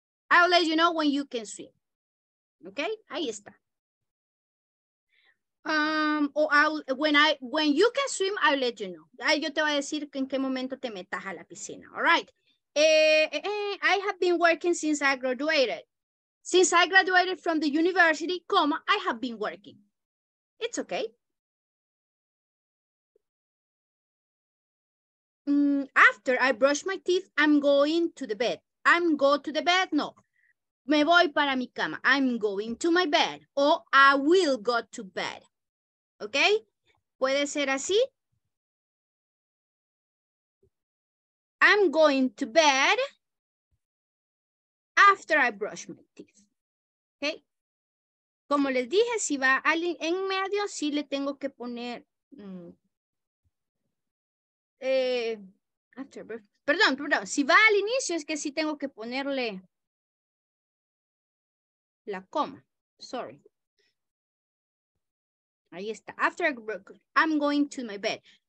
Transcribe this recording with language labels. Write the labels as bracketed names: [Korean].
[English] I'll let you know when you can swim. Ok, [Spanish] ahí está. [English] When you can swim, I'll let you know. [Spanish] Ahí yo te voy a decir que en qué momento te metas a la piscina. [English] All right. I have been working since I graduated. Since I graduated from the university, comma, I have been working. It's okay. After I brush my teeth, I'm going to the bed. I'm go to the bed. [Spanish] No, me voy para mi cama. [English] I'm going to my bed. Or I will go to bed. Okay? [Spanish] Puede ser así. [English] I'm going to bed after I brush my teeth. Okay? [Spanish] Como les dije, si va alguien en medio, sí le tengo que poner... Perdón. Si va al inicio, es que sí tengo que ponerle la coma. [English] Sorry. [Spanish] Ahí está. [English] After I broke, I'm going to my bed.